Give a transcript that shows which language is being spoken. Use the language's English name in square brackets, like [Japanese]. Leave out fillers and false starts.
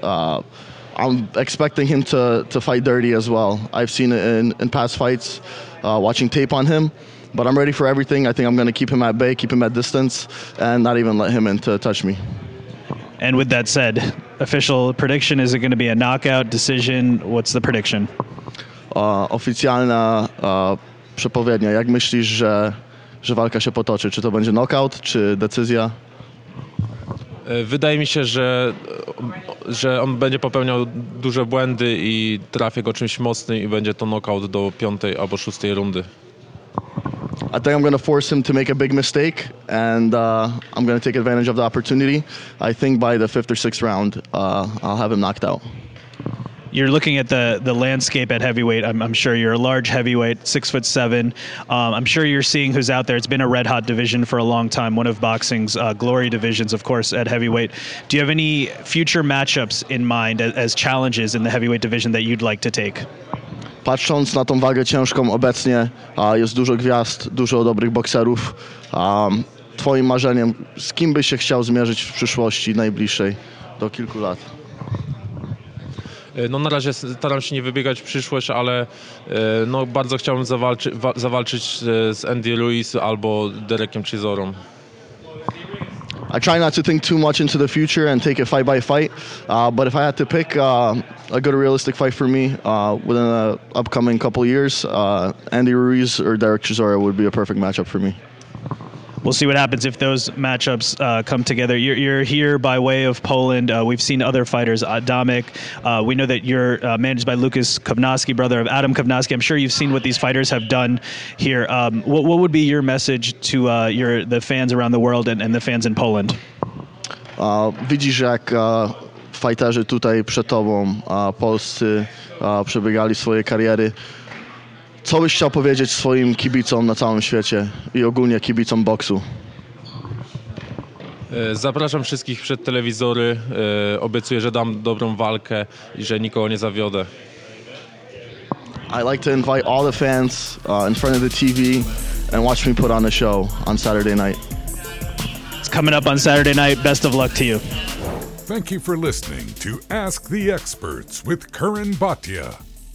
[English] I'm expecting him to fight dirty as well. I've seen it in past fights, watching tape on him. But I'm ready for everything. I think I'm going to keep him at bay, keep him at distance, and not even let him in to touch me. And with that said, official prediction, is it going to be a knockout decision? What's the prediction? [Polish] Oficjalna przepowiednia. Jak myślisz, że walka się potoczy? Czy to będzie knockout, czy decyzja? Wydaje mi się, że on będzie popełniał duże błędy i trafię go czymś mocnym i będzie to knockout do piątej albo szóstej rundy. [English] I think I'm going to force him to make a big mistake and I'm going to take advantage of the opportunity. I think by the fifth or sixth round I'll have him knocked out. You're looking at the landscape at heavyweight. I'm sure you're a large heavyweight, 6'7". I'm sure you're seeing who's out there. It's been a red hot division for a long time, one of boxing's glory divisions, of course, at heavyweight. Do you have any future matchups in mind as challenges in the heavyweight division that you'd like to take? [Polish] Patrząc na tą wagę ciężką obecnie, jest dużo gwiazd, dużo dobrych bokserów. Twoim marzeniem, z kim byś się chciał zmierzyć w przyszłości najbliższej do kilku lat? No na razie staram się nie wybiegać w przyszłość, ale no bardzo chciałbym zawalczyć z Andy Ruiz albo Derekiem Chisorą. [English] I try not to think too much into the future and take it fight by fight, but if I had to pick a good realistic fight for me within the upcoming couple years, Andy Ruiz or Derek Chisora would be a perfect matchup for me. We'll see what happens if those matchups come together. You're here by way of Poland. We've seen other fighters, Adamek. We know that you're managed by Lukas Kownacki, brother of Adam Kownacki. I'm sure you've seen what these fighters have done here. What would be your message to the fans around the world and the fans in Poland? [Polish] Widzisz, jak fighterzy tutaj przed tobą, polscy, przebiegali swoje kariery. Co byś chciał powiedzieć swoim kibicom na całym świecie i ogólnie kibicom boksu? Zapraszam wszystkich przed telewizory. Obiecuję, że dam dobrą walkę i że nikogo nie zawiodę. [English] I'd like to invite all the fans in front of the TV and watch me put on a show on Saturday night. It's coming up on Saturday night. Best of luck to you. Thank you for listening to Ask the Experts with Curran Bhatia.